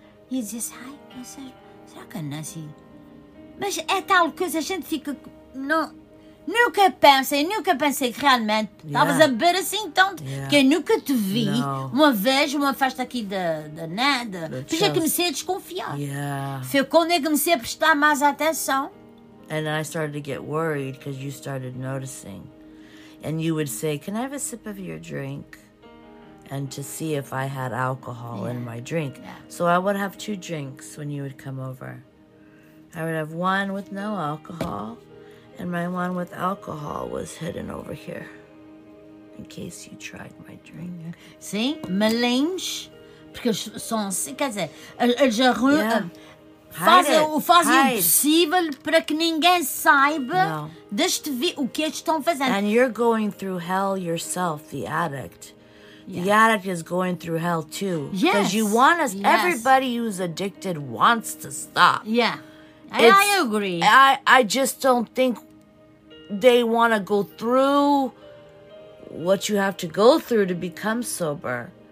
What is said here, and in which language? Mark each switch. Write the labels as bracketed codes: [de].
[pt] E eu dizia assim, ai, não sei, será que a Nancy... Mas é tal coisa, a gente fica... Não, nunca pensei que realmente estavas a beber assim tanto. [en] Yeah. [pt] Porque eu nunca te vi uma vez, uma festa aqui da Nanda. Depois é que comecei a desconfiar. [en] Yeah. [pt] Foi quando eu comecei a prestar mais atenção. [en] And then I started to get worried because you started noticing. And you would say, can I have a sip of your drink? And to see if I had alcohol in my drink. Yeah. So I would have two drinks when you would come over. I would have one with no alcohol. And my one with alcohol was hidden over here. In case you tried my drink. [pt] Sim, malinche. Porque são assim, quer dizer, eles arrumam... Fazem o possível para que ninguém saiba deste o que eles estão fazendo. [en] And you're going through hell yourself, the addict. Yeah. The addict is going through hell too. Yes. Because you want us, everybody who's addicted wants to stop. Yeah. I agree. I just don't think they want to go through what you have to go through to become sober.